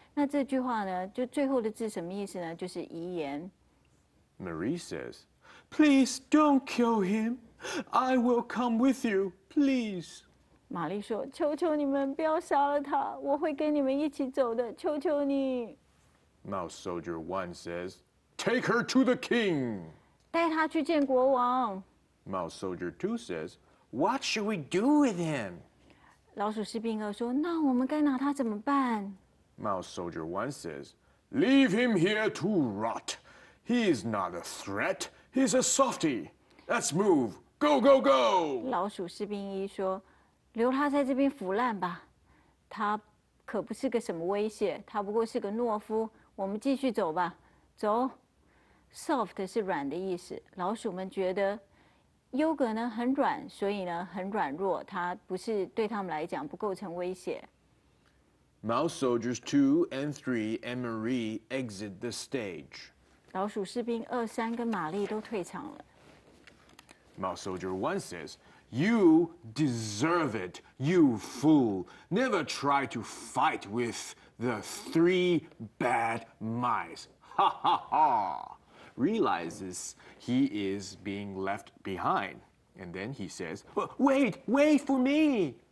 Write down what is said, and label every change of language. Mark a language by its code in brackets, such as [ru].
[zh] 那这句话呢，就最后的字什么意思呢？就是遗言。 [en] Marie says, "Please don't kill him. I will come with you, please." [zh] 玛丽说，求求你们不要杀了他，我会跟你们一起走的，求求你。 [en] Mouse Soldier 1 says, "Take her to the king." [zh] 带她去见国王。 [en] Mouse Soldier 2 says, "What should we do with him?" [zh] 老鼠士兵二说，那我们该拿他怎么办？ [en] Mouse Soldier 1 says, "Leave him here to rot. He is not a threat. He's a softy. Let's move. Go, go, go! [zh] 老鼠士兵一说，留他在这边腐烂吧，他可不是个什么威胁，他不过是个懦夫。我们继续走吧，走。Soft 是软的意思，老鼠们觉得优格呢很软，所以呢很软弱，它不是对他们来讲不构成威胁。 [en] Mouse soldiers 2 and 3 and Marie exit the stage. [zh] 老鼠士兵二三跟玛丽都退场了。 [en] Mouse soldier 1 says, "You deserve it, you fool. Never try to fight with the three bad mice." Ha ha ha. Realizes he is being left behind, and then he says, "Wait, wait for me."